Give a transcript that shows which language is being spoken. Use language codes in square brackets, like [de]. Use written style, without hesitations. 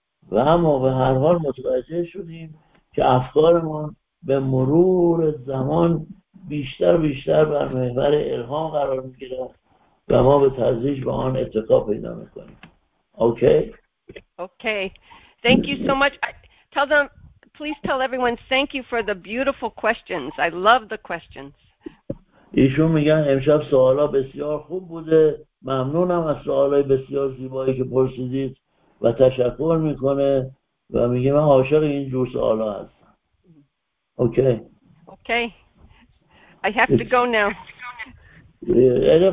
[fa] و اما به هر حال متوجه شدیم که افکارمان به مرور زمان بیشتر بیشتر بر محور الهام قرار میگیرد و ما به تدریج به آن اتقا پیدا میکنیم. [en] Okay. Thank you so much. Please tell everyone thank you for the beautiful questions. I love the questions. [fa] ایشون میگن امشب سوالا بسیار خوب بوده، ممنونم از سوالای بسیار زیبایی که پرسیدید و تشکر میکنه و میگه من عاشق این جور سوالا هستم. [en] Okay okay I have to go now.